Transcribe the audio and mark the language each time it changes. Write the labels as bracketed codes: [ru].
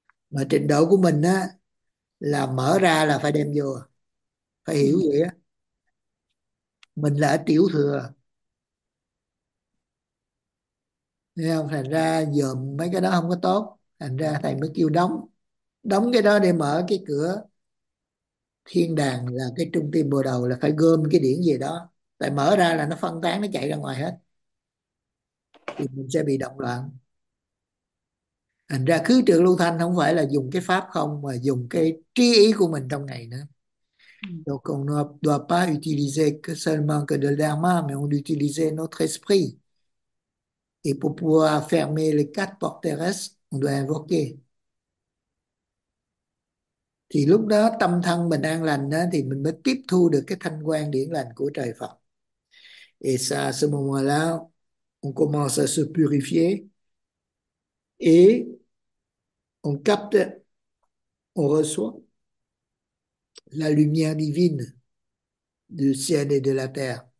[vi] Mà trình độ của mình á, là mở ra là phải đem vô. Phải hiểu vậy á. Mình là ở tiểu thừa. Thấy không? Thành ra giờ mấy cái đó không có tốt. Thành ra thầy mới kêu đóng. Đóng cái đó để mở cái cửa thiên đàng là cái trung tâm bồ đầu, là phải gom cái điển gì đó. Tại mở ra là nó phân tán, nó chạy ra ngoài hết. Thì mình sẽ bị động loạn. Thành ra khứ trược lưu thanh không phải là dùng cái pháp không, mà dùng cái trí ý của mình trong ngày nữa. [fr] Donc on ne doit pas utiliser que seulement que de l'âme, mais on doit utiliser notre esprit. Et pour pouvoir fermer les quatre portes terrestres, on doit invoquer. [vi] Thì lúc đó tâm thân mình an lành đó, thì mình mới tiếp thu được cái thanh quang điển lành của trời Phật. [fr] Et ça, à ce moment-là, on commence à se purifier et on capte, on reçoit la lumière divine du ciel et de la terre.